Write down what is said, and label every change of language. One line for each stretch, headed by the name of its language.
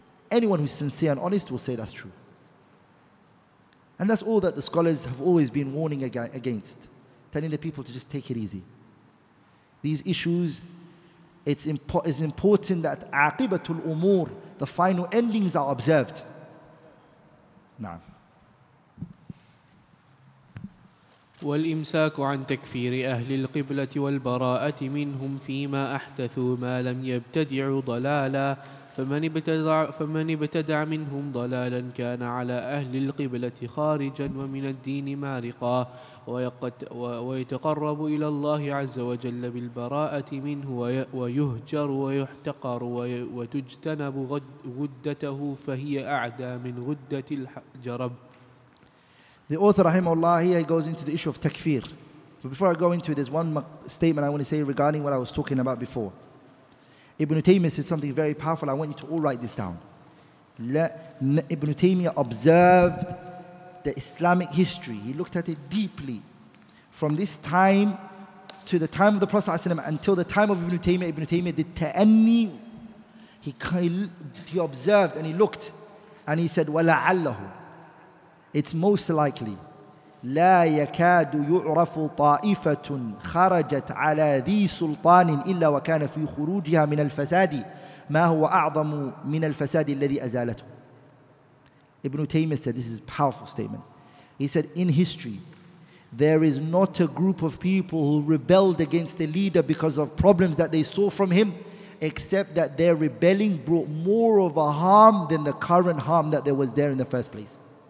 English: Anyone who's sincere and honest will say that's true. And that's all that the scholars have always been warning against, telling the people to just take it easy. These issues, it's important that
Arabic: aqibatul umur,
English: the final endings, are observed. Nah.
Arabic: والإمساك عن تكفير أهل القبلة والبراءة منهم فيما أحدثوا ما لم يبتدعوا ضلالا فمن ابتدع منهم ضلالا كان على أهل القبلة خارجا ومن الدين مارقا ويتقرب إلى الله عز وجل بالبراءة منه ويهجر ويحتقر وتجتنب غدته فهي أعدى من غدة الجرب.
English: The author, rahimahullah, here he goes into the issue of takfir. But before I go into it, there's one statement I want to say regarding what I was talking about before. Ibn Taymiyyah said something very powerful. I want you to all write this down. Ibn Taymiyyah observed the Islamic history. He looked at it deeply. From this time to the time of the Prophet ﷺ until the time of Ibn Taymiyyah did ta'anni. He observed and he looked and he said,
Arabic: وَلَعَلَّهُ.
English: It's most likely.
Arabic: لا يكاد يعرف طائفة خرجت على ذي سلطان إلا وكان في خروجها من الفساد ما هو أعظم من الفساد الذي أزالته.
English: Ibn Taymiyyah said, this is a powerful statement. He said, in history, there is not a group of people who rebelled against the leader because of problems that they saw from him, except that their rebelling brought more of a harm than the current harm that there was there in the first place.